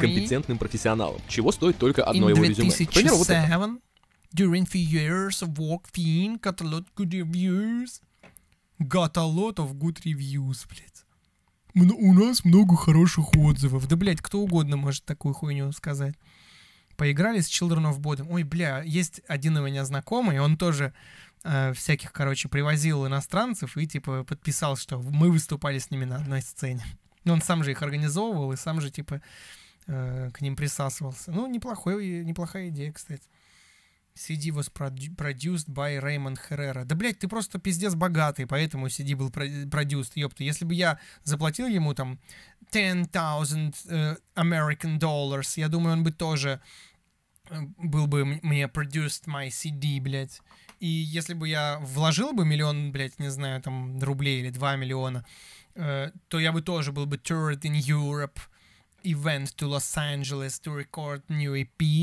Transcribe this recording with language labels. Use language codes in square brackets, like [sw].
[ru] Компетентным профессионалом, чего стоит только одно его резюме. [en] In 2007, during few years of work, Finn got a lot of good reviews. Got a lot of good reviews, [ru] блядь. У нас много хороших отзывов. Да, блядь, кто угодно может такую хуйню сказать. Поиграли с Children of Bodom. Ой, бля, есть один у меня знакомый, он тоже... всяких, короче, привозил иностранцев и, типа, подписал, что мы выступали с ними на одной сцене. Он сам же их организовывал и сам же, типа, к ним присасывался. Ну, неплохая идея, кстати. [en] CD was produced by Raymond Herrera. [ru] Да, блядь, ты просто пиздец богатый, поэтому CD был [en] produced, [ru] ёпта. Если бы я заплатил ему, там, 10,000 [en] American dollars, [ru] я думаю, он бы тоже был бы мне [en] produced my CD, [ru] блядь. И если бы я вложил бы миллион, блядь, не знаю, там, рублей или 2 миллиона, то я бы тоже был бы [en] toured in Europe [ru] и [en] went to Los Angeles to record new EP.